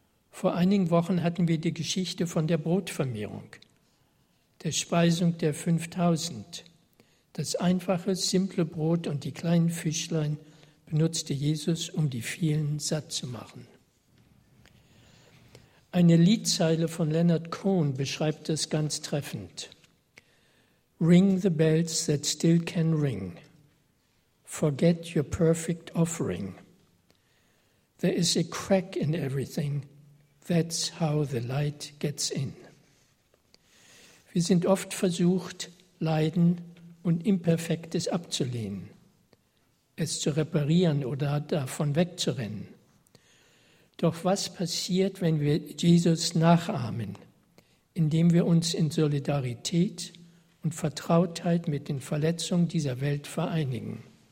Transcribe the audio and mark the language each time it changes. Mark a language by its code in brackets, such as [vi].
[de] Vor einigen Wochen hatten wir die Geschichte von der Brotvermehrung, der Speisung der 5000. Das einfache, simple Brot und die kleinen Fischlein benutzte Jesus, um die vielen satt zu machen. Eine Liedzeile von Leonard Cohen beschreibt es ganz treffend. [en] Ring the bells that still can ring. Forget your perfect offering. There is a crack in everything. That's how the light gets in. [de] Wir sind oft versucht, Leiden und Imperfektes abzulehnen, es zu reparieren oder davon wegzurennen. Doch was passiert, wenn wir Jesus nachahmen, indem wir uns in Solidarität und Vertrautheit mit den Verletzungen dieser Welt vereinigen?